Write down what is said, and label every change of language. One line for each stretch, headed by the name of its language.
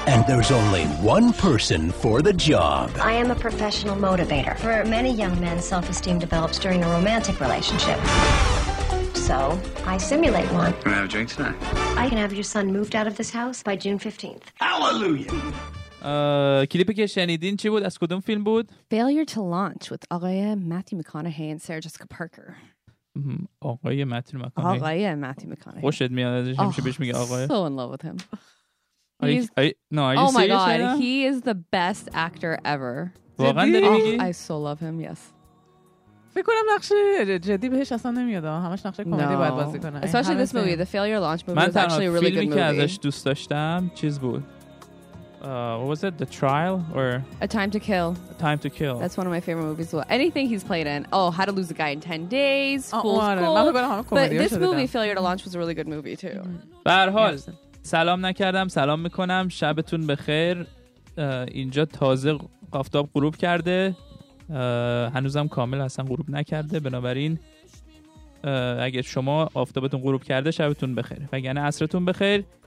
English: And there's only one person for the job. I am a professional motivator. For many young men, self-esteem develops during a romantic relationship. So, I simulate one. Can I have a drink tonight? I can have your son moved out of this house by June 15th. Hallelujah!
Persian: کلیپی که شنیدین چی بود؟ از کدوم فیلم بود؟ Failure to Launch with آقای ماتیو مکانهی و سارا جسیکا پارکر. آقای ماتیو مکانهی. آقای ماتیو مکانهی. خوشت میاد ازش؟ همیشه بهش میگه آقای.
English: So in love with him. Are you serious? Oh my god, he is the best actor ever.
Persian: واقعا داری میگی؟
English: I so love him, yes.
Persian: میکنم نقشه جدی بهش اصلا نمیاد، همش نقشه کمدی باید بازی کنه.
English: Especially this movie, The Failure Launch movie, was actually a really good movie.
Persian: من فیلمی که ازش دوست داشتم چیز بود.
English: What was it? The Trial or A Time to Kill? A Time to Kill. That's one of my favorite movies. Well, anything he's played in. Oh, How to Lose a Guy in 10 Days. But this movie, Failure to Launch, was a really good movie too.
Persian: برحال سلام نکردم، سلام میکنم، شبتون بخیر. اینجا تازه آفتاب غروب کرده، هنوزم کامل اصلا غروب نکرده، بنابراین اگه شما آفتابتون غروب کرده شبتون بخیر، وگرنه عصرتون بخیر.